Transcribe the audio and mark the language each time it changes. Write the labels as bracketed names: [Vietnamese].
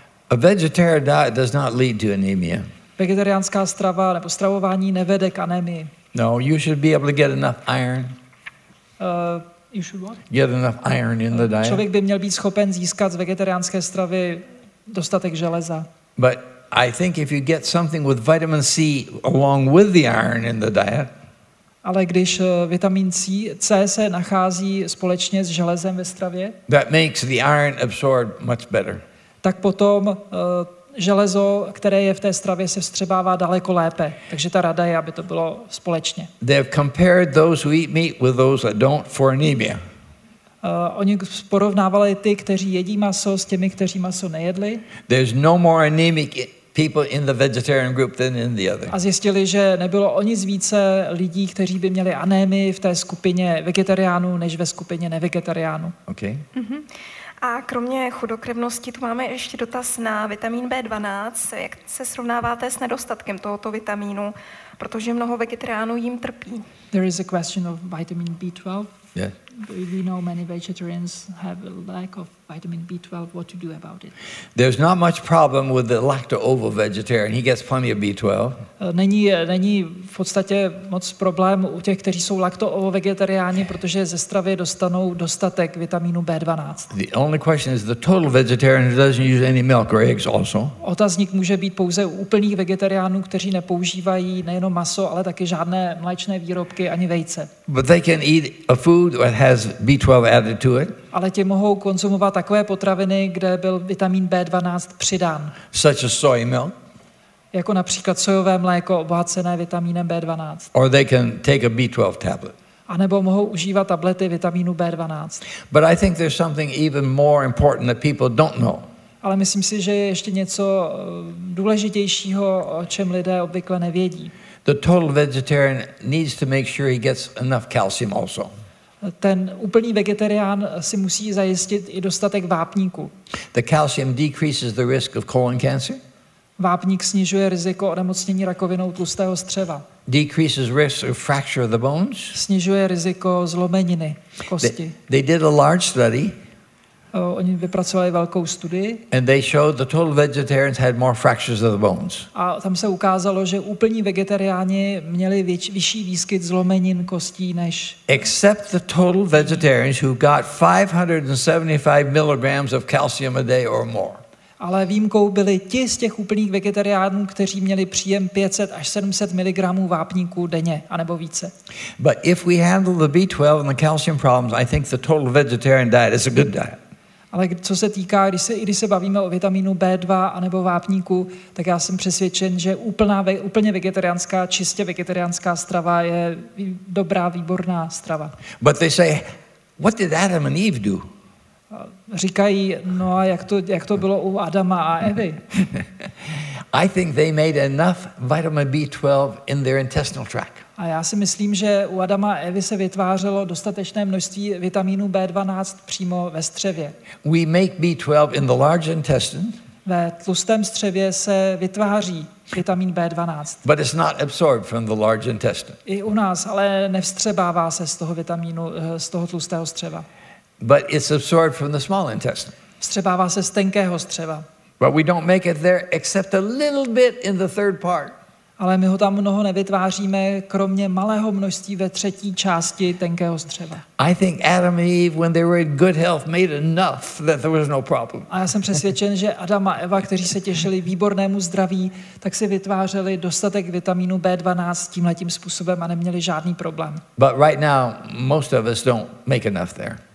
[English] A vegetarian diet does not lead to anemia. [Czech] Vegetariánská strava nebo stravování nevede k anemii. [English] No, you should be able to get enough iron. You should what? Get enough iron in the diet. [Czech] Člověk by měl být schopen získat z vegetariánské stravy dostatek železa. [English] But I think if you get something with vitamin C along with the iron in the diet. [Czech] Ale když vitamin C se nachází společně s železem ve stravě, [English] that makes the iron absorbed much better. [Czech] Tak potom železo, které je v té stravě, se vstřebává daleko lépe. Takže ta rada je, aby to bylo společně. [English] They have compared those who eat meat with those that don't for anemia. [Czech] Oni porovnávali ty, kteří jedí maso, s těmi, kteří maso nejedli. [English] There's no more anemic people in the vegetarian group than in the other. [Czech] A zjistili, že nebylo o nic více lidí, kteří by měli anémii v té skupině vegetariánů, než ve skupině nevegetariánů. [English] Okay. Mm-hmm. [Czech] A kromě chudokrevnosti tu máme ještě dotaz na vitamin B12. Jak se srovnáváte s nedostatkem tohoto vitamínu, protože mnoho vegetariánů jim trpí? [English] There is a question of vitamin B12. Yes. We know many vegetarians have a lack of vitamin B12. What to do about it? There's not much problem with the lacto-ovo vegetarian. He gets plenty of B12. [Czech] Není v podstatě moc problém u těch, kteří jsou lacto-ovo vegetariáni, protože ze stravy dostanou dostatek vitaminu B12. [English] The only question is the total vegetarian who doesn't use any milk or eggs also. [Czech] Otazník může být pouze u úplných vegetariánů, kteří nepoužívají nejenom maso, ale také žádné mléčné výrobky ani vejce. [English] But they can eat a food that has B12 added to it. [Czech] Ale ti mohou konzumovat takové potraviny, kde byl vitamin B12 přidán. [English] Such as soy milk. [Czech] Jako například sojové mléko obohacené vitaminem B12. [English] Or they can take a B12 tablet. [Czech] A nebo mohou užívat tablety vitaminu B12. [English] But I think there's something even more important that people don't know. [Czech] Ale myslím si, že je ještě něco důležitějšího, o čem lidé obvykle nevědí. [English] The total vegetarian needs to make sure he gets enough calcium also. [Czech] Ten úplný vegetarián si musí zajistit i dostatek vápníku. [English] The calcium decreases the risk of colon cancer. [Czech] Vápník snižuje riziko onemocnění rakovinou tlustého střeva. [English] Decreases risk of fracture of the bones. [Czech] Snižuje riziko zlomeniny kosti. [English] They did a large study. [Czech] Oni vypracovali velkou studii. [English] And they showed the total vegetarians had more fractures of the bones. [Czech] A tam se ukázalo, že úplní vegetariáni měli vyšší výskyt zlomenin kostí než. [English] Except the total vegetarians who got 575 milligrams of calcium a day or more. [Czech] Ale výjimkou byli ti z těch úplných vegetariánů, kteří měli příjem 500 až 700 mg vápníku denně, anebo více. [English] But if we handle the B12 and the calcium problems, I think the total vegetarian diet is a good diet. [Czech] Ale co se týká, když se bavíme o vitaminu B2 anebo vápníku, tak já jsem přesvědčen, že úplně vegetariánská, čistě vegetariánská strava je dobrá, výborná strava. [English] But they say, what did Adam and Eve do? [Czech] Říkají, no a jak to bylo u Adama a Evy? [English] I think they made enough vitamin B12 in their intestinal tract. [Czech] A já si myslím, že u Adama a Evy se vytvářelo dostatečné množství vitaminu B12 přímo ve střevě. [English] We make B12 in the large intestine. [Czech] Ve tlustém střevě se vytváří vitamin B12. [English] But it's not absorbed from the large intestine. [Czech] I u nás, ale nevstřebává se z toho vitaminu, z toho tlustého střeva. [English] But it's absorbed from the small intestine. [Czech] Vstřebává se z tenkého střeva. [English] But we don't make it there except a little bit in the third part. [Czech] Ale my ho tam mnoho nevytváříme, kromě malého množství ve třetí části tenkého střeva. [English] I think Adam and Eve, when they were in good health, made enough that there was no problem. [Czech] A já jsem přesvědčen, že Adam a Eva, kteří se těšili výbornému zdraví, tak si vytvářeli dostatek vitaminu B12 tímhletím způsobem a neměli žádný problém. [English] But right now, most of us don't make enough there.